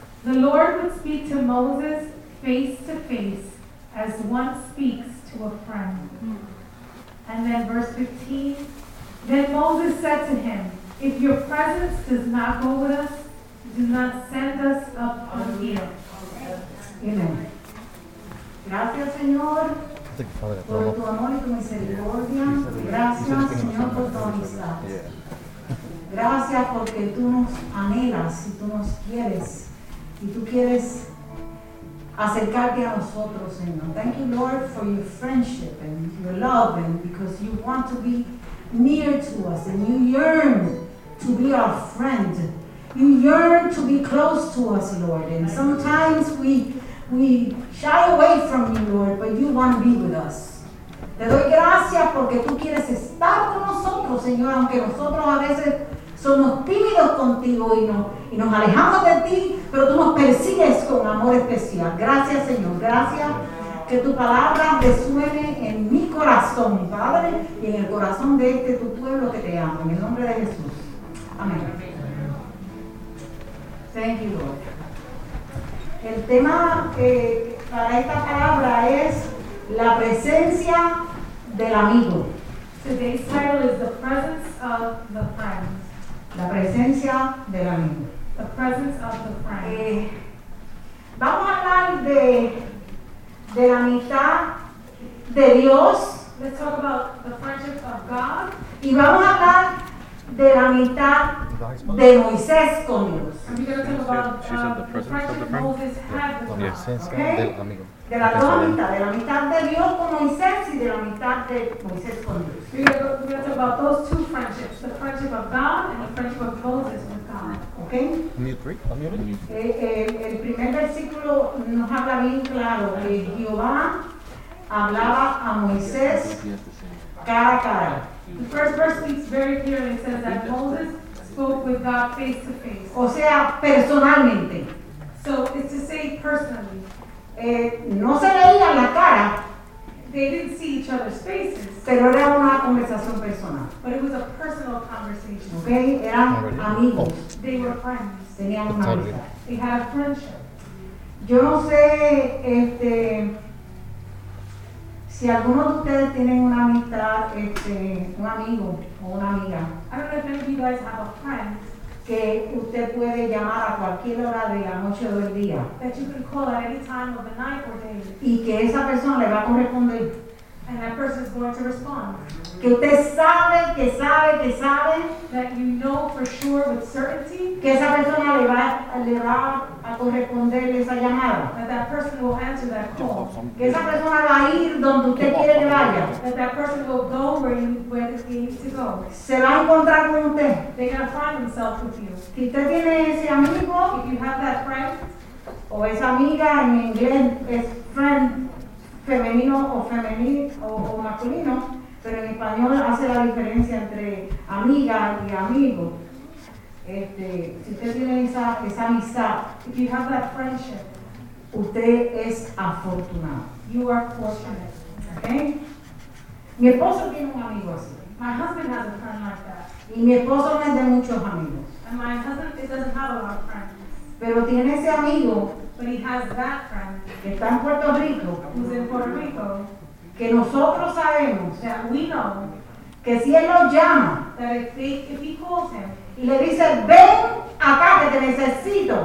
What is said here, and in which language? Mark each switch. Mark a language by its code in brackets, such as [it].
[en] The Lord would speak to Moses face to face as one speaks to a friend. And then verse 15, then Moses said to him, if your presence does not go with us, do not send us up on here. Amen. [es] Gracias, Señor, por tu amor y tu misericordia. Gracias, Señor, por tu amistad. Gracias porque tú nos anhelas y tú nos quieres. Y tú quieres acercarte a nosotros, Señor. [en] Thank you, Lord, for your friendship and your love, and because you want to be near to us and you yearn to be our friend. You yearn to be close to us, Lord. And sometimes we shy away from you, Lord, but you want to be with us. [es] Te doy gracias porque tú quieres estar con nosotros, Señor, aunque nosotros a veces somos tímidos contigo y nos alejamos de ti, pero tú nos persigues con amor especial. Gracias, Señor. Gracias que tu palabra resuene en mi corazón, Padre, y en el corazón de este tu pueblo que te ama. En el nombre de Jesús. Amén. [en] Thank you, Lord. [es] El tema para esta palabra es la presencia del amigo. [en] Today's title is the presence of the friend. [es] La presencia del amigo. [en] The presence of the friend. [es] Vamos a hablar de la amistad de Dios. [en] Let's talk about the friendship of God. [es] Y vamos a hablar de la amistad de Moisés con Dios. [en] And we're going to talk about the friendship Moses had with God. Okay? [es] De la dos amistad, de la amistad de Dios con Moisés y de la amistad de Moisés con Dios. [en] We're going to talk about those two friendships, the friendship of God and the friendship of Moses with God. Okay? [es] El primer versículo nos habla bien claro que Jehová hablaba a Moisés cara a cara. [en] The first verse speaks very clearly. It says that Moses spoke with God face to face. [es] O sea, personalmente. [en] So it's to say personally. [es] No se veía la cara. [en] They didn't see each other's faces. [es] Pero era una conversación personal. [en] But it was a personal conversation. [es] Okay, eran amigos. [en] They were friends. [es] Tenían una amistad. [en] They had a friendship. [es] Yo no sé si alguno de ustedes tienen una amistad, un amigo o una amiga. [en] I don't know if any of you guys have a friend. [es] Que usted puede llamar a cualquier hora de la noche o del día. [en] That you can call at any time of the night or day. [es] Y que esa persona le va a corresponder. [en] And that person is going to respond. [es] Que usted sabe, que sabe, que sabe. [en] That you know for sure with certainty. [es] Que esa persona le va a corresponder esa llamada. [en] That person will answer that call. [es] Que esa persona va a ir donde usted quiere que vaya. [en] That person will go where he needs to go. [es] Se va a encontrar con usted. [en] They're going to find themselves with you. [es] Si usted tiene ese amigo. [en] If you have that friend. [es] O esa amiga, en inglés es friend. femenino o femenino o masculino, pero en español hace la diferencia entre amiga y amigo. Este, si usted tiene esa, esa amistad, [en] if you have that friendship, [es] usted es afortunado. [en] You are fortunate. [es] Okay? Mi esposo tiene un amigo así. [en] My husband has a friend like that. [es] Y mi esposo no es de muchos amigos. [en] And my husband doesn't have a lot of friends. [es] Pero tiene ese amigo. [en] But he has that friend. [es] Que está en Puerto Rico. [en] Who's in Puerto Rico. [es] Que nosotros sabemos. [en] That we know. [es] Que si él lo llama. [en] That if he calls him. [es] Y le dice, ven acá que te necesito.